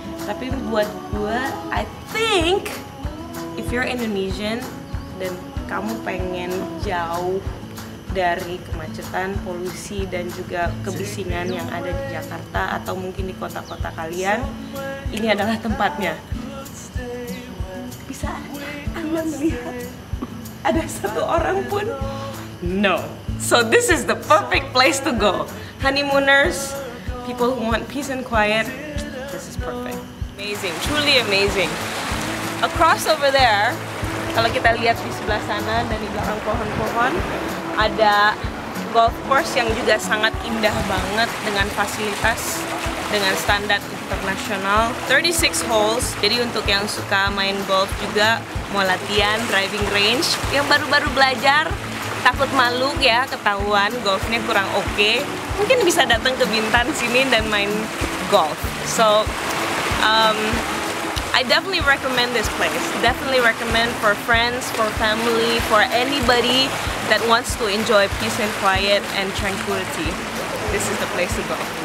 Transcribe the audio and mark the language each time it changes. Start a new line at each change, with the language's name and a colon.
Indonesian: Tapi buat gue,
English: I think if you're Indonesian
Indonesian: dan kamu pengen jauh dari kemacetan, polusi, dan juga kebisingan yang ada di Jakarta atau mungkin di kota-kota kalian, ini adalah tempatnya. Bisa Anda melihat ada satu orang pun?
English: No. So this is the perfect place to go. Honeymooners, people who want peace and quiet, this is perfect. Amazing, truly amazing. Across over there,
Indonesian: kalau kita lihat di sebelah sana dan di belakang pohon-pohon, ada golf course yang juga sangat indah banget dengan fasilitas, dengan standar internasional. 36 holes, jadi untuk yang suka main golf juga, mau latihan, driving range. Yang baru-baru belajar, takut malu ya ketahuan golfnya kurang oke. Mungkin bisa datang ke Bintan sini dan main golf.
English: So, I definitely recommend this place. Definitely recommend for friends, for family, for anybody that wants to enjoy peace and quiet and tranquility. This is the place to go.